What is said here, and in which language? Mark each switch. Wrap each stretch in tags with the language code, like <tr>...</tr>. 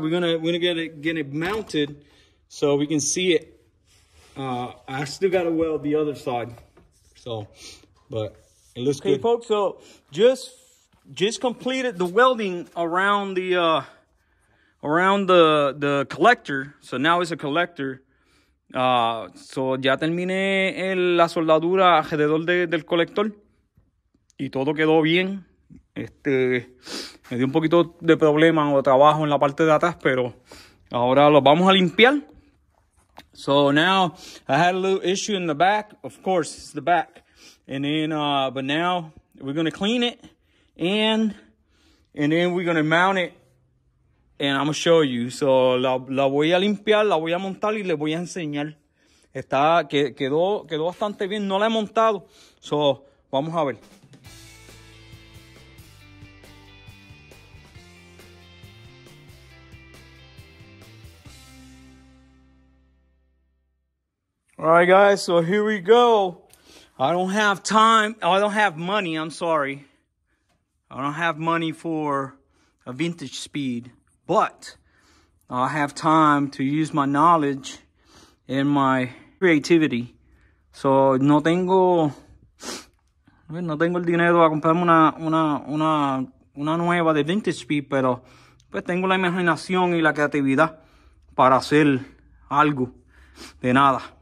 <en>We're gonna get it mounted so we can see it. I still gotta weld the other side. So, but it looks okay, good. Okay, folks, so just completed the welding around the collector. So now it's a collector.</en> <es>So ya terminé la soldadura alrededor del colector y todo quedó bien. Me dio un poquito de problema o trabajo en la parte de atrás, pero ahora lo vamos a limpiar.</es> <en>So now I had a little issue in the back. Of course, it's the back. And then, but now we're going to clean it and then we're going to mount it. And I'm going to show you.</en> <es>So la voy a limpiar, la voy a montar y le voy a enseñar. Quedó bastante bien. No la he montado. So vamos a ver.</es> <en>All right, guys, so here we go. I don't have money, I'm sorry. I don't have money for a vintage speed, but I have time to use my knowledge and my creativity.</en> <es>So no tengo el dinero para comprarme una nueva de vintage speed, pero pues tengo la imaginación y la creatividad para hacer algo de nada.</es>